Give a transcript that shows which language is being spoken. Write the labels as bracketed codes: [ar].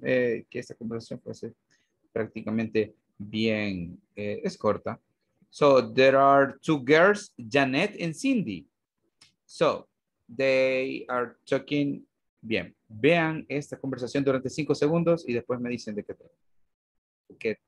[es] Que esta conversación puede ser prácticamente bien es corta. [en] So there are two girls, Janet and Cindy. So they are talking. [es] Bien. Vean esta conversación durante 5 segundos y después me dicen de qué trata.